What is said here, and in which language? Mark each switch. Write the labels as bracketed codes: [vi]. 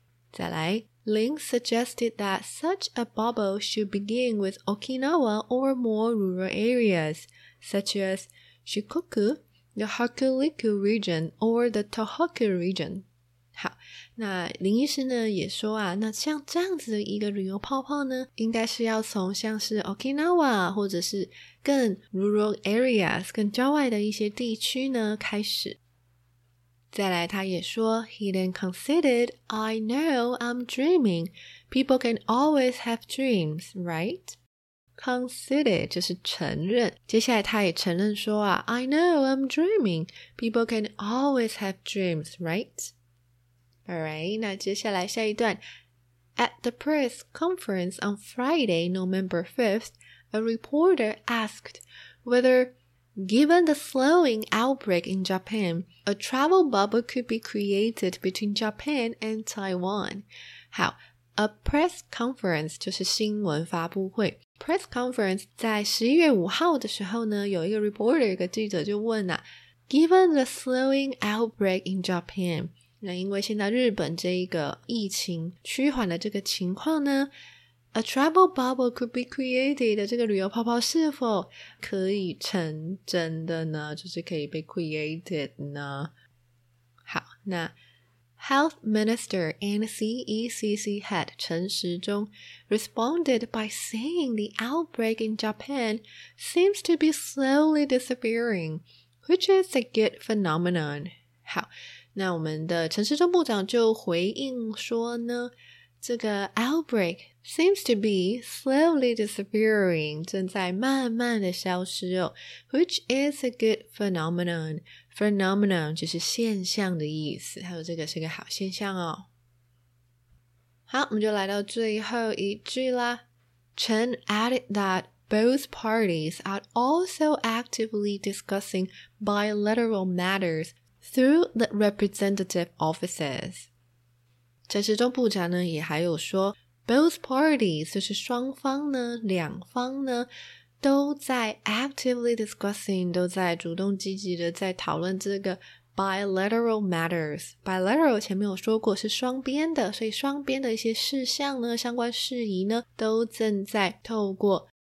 [en] 再来， Lin suggested that such a bubble should begin with Okinawa or more rural areas such as Shikoku, the Hokuriku region or the Tohoku region。 [zh] 好，那林医师呢也说啊，那像这样子的一个旅游泡泡呢应该是要从像是 Okinawa 或者是更 rural areas 更郊外的一些地区呢开始。再来他也说， [en] He then considered, I know I'm dreaming, people can always have dreams, right? Considered [zh] 就是承认，接下来他也承认说啊， [en] I know I'm dreaming, people can always have dreams, right? [zh] Alright, 那接下来下一段。 [en] At the press conference on Friday, November 5th, a reporter asked whether, given the slowing outbreak in Japan, a travel bubble could be created between Japan and Taiwan. [zh] 好， a press conference 就是新闻发布会。 Press conference 在11月5号的时候呢，有一个 reporter, 一个记者就问啊， [en] given the slowing outbreak in Japan, [zh] 那因为现在日本这一个疫情趋缓的这个情况呢， [en] A travel bubble could be created [zh] 的这个旅游泡泡是否可以成真的呢？就是可以被 created 呢？ [en] 好，那 Health Minister and CECC Head 陈时中 responded by saying the outbreak in Japan seems to be slowly disappearing, which is a good phenomenon. [zh] 好，那我们的陈时中部长就回应说呢， [en] 这个 outbreak seems to be slowly disappearing, [zh] 正在慢慢的消失哦 [en] which is a good phenomenon. [zh] Phenomenon 就是现象的意思，还有这个是个好现象哦。好，我们就来到最后一句啦。 [en] Chen added that both parties are also actively discussing bilateral matters through the representative offices. [zh] 陈时中部长呢也还有说 both parties 就是双方呢两方呢都在 actively discussing 都在主动积极的在讨论这个 bilateral matters bilateral 前面有说过是双边的所以双边的一些事项呢相关事宜呢都正在透过